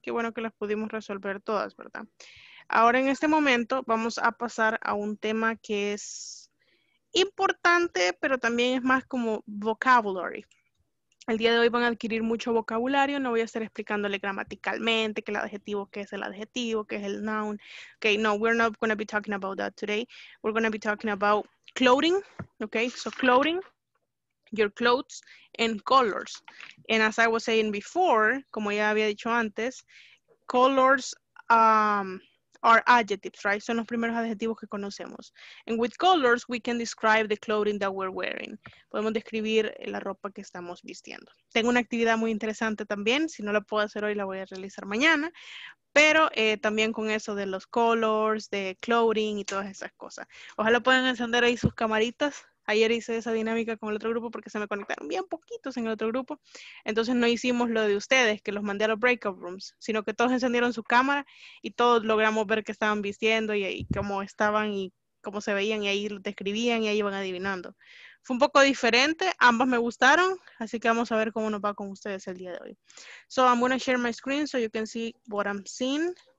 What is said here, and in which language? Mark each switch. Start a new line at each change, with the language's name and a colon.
Spanish: Qué bueno que las pudimos resolver todas, ¿verdad? Ahora en este momento vamos a pasar a un tema que es importante, pero también es más como vocabulary. El día de hoy van a adquirir mucho vocabulario. No voy a estar explicándole gramaticalmente que el adjetivo, qué es el adjetivo, qué es el noun.
English: Okay, no, we're not going to be talking about that today. We're going to be talking about clothing. Okay, so clothing. Your clothes and colors. And as I was saying before,
Spanish: como ya había dicho antes,
English: colors are adjectives, right?
Spanish: Son los primeros adjetivos que conocemos.
English: And with colors, we can describe the clothing that we're wearing.
Spanish: Podemos describir la ropa que estamos vistiendo. Tengo una actividad muy interesante también. Si no la puedo hacer hoy, la voy a realizar mañana. Pero también con eso de los colors, de clothing y todas esas cosas. Ojalá puedan encender ahí sus camaritas. Ayer hice esa dinámica con el otro grupo porque se me conectaron bien poquitos en el otro grupo. Entonces no hicimos lo de ustedes, que los mandé a los breakout rooms, sino que todos encendieron su cámara y todos logramos ver qué estaban vistiendo y cómo estaban y cómo se veían y ahí lo describían y ahí iban adivinando. Fue un poco diferente, ambas me gustaron, así que vamos a ver cómo nos va con ustedes el día de hoy.
English: So I'm going to share my screen so you can see what I'm seeing.